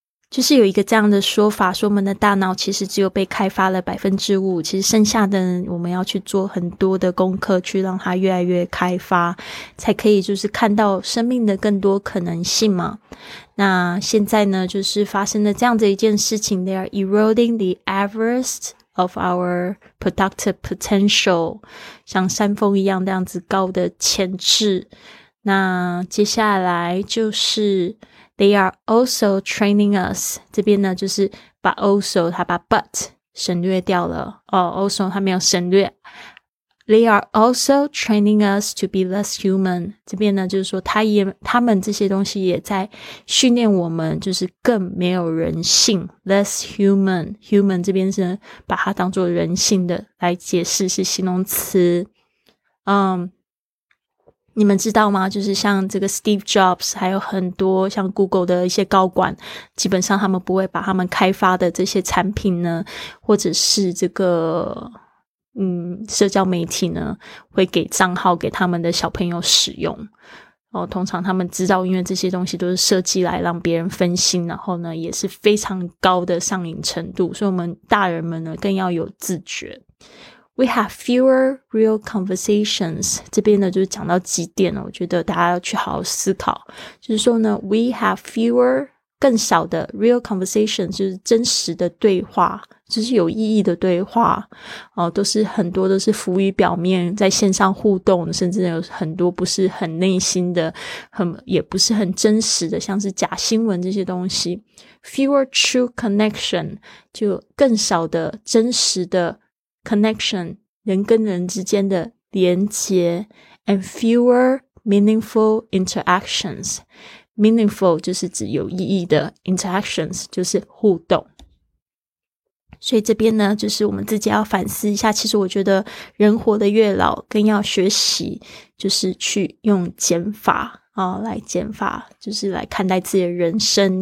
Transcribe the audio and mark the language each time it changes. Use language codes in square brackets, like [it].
[zh] 就是有一个这样的说法，说我们的大脑其实只有被开发了 5%， 其实剩下的我们要去做很多的功课去让它越来越开发，才可以就是看到生命的更多可能性嘛。那现在呢就是发生了这样的一件事情， [en] They are eroding the Everest of our productive potential， [zh] 像山峰一样这样子高的潜质。那接下来就是 [en] They are also training us. [zh] 这边呢就是把 also, 他把 but 省略掉了。Also, 他没有省略 [en] They are also training us to be less human. [zh] 这边呢就是说他们这些东西也在训练我们就是更没有人性。 [en] Less human. [zh] Human 这边是把它当作人性的来解释，是形容词。你们知道吗？就是像这个 Steve Jobs, 还有很多像 Google 的一些高管，基本上他们不会把他们开发的这些产品呢，或者是这个社交媒体呢，会给账号给他们的小朋友使用。哦，通常他们知道，因为这些东西都是设计来让别人分心，然后呢，也是非常高的上瘾程度。所以我们大人们呢，更要有自觉。 [en] We have fewer real conversations. [zh] 这边呢，就是讲到几点了，我觉得大家要去好好思考。就是说呢 ， [en] we have fewer [zh] 更少的 [en] real conversations， [zh] 就是真实的对话。就是有意义的对话哦，都是很多都是浮于表面，在线上互动，甚至有很多不是很内心的，也不是很真实的，像是假新闻这些东西。 [en] Fewer true connection， [zh] 就更少的真实的 connection， 人跟人之间的连结。 [en] And fewer meaningful interactions， [zh] meaningful 就是指有意义的 interactions， 就是互动。所以这边呢，就是我们自己要反思一下。其实我觉得人活得越老，更要学习就是去用减法啊，来减法，就是来看待自己的人生。